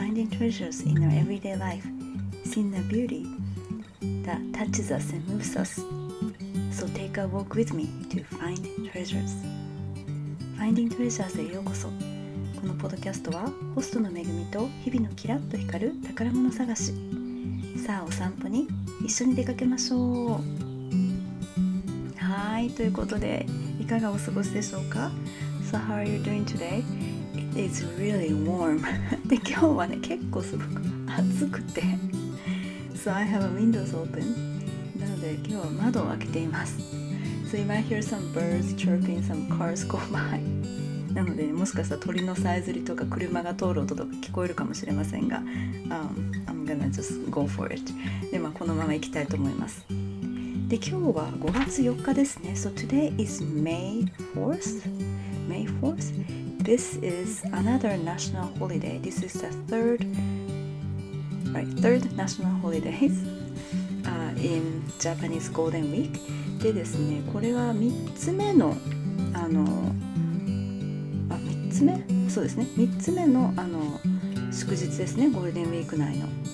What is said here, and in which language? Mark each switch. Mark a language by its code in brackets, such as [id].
[en] treasures in our everyday life, seeing the beauty that touches us and moves us. So take a walk with me to find treasures. [ja] Finding treasures へようこそ。このポッドキャストはホストのめぐみと日々のキラッと光る宝物探し。さあお散歩に一緒に出かけましょう。はい、ということでいかがお過ごしでしょうか。 [en] So how are you doing today? It's really warm. [ja] で、今日はね、結構すごく暑くて。 [en] So I have a windows open. [ja] なので、今日は窓を開けています。 [en] So you might hear some birds chirping, some cars go by. [ja] なので、ね、もしかしたら鳥のさえずりとか車が通る音とか聞こえるかもしれませんが、 [en] I'm gonna just go for it. [ja] で、まあ、このまま行きたいと思います。で、今日は5月4日ですね。 [en] So today is May 4th? May 4th? This is another national holiday. This is the third national holiday in Japanese Golden Week. [ja] でですね、これは3つ目の、3つ目? そうですね、3つ目の、祝日ですね、ゴールデンウィーク内の。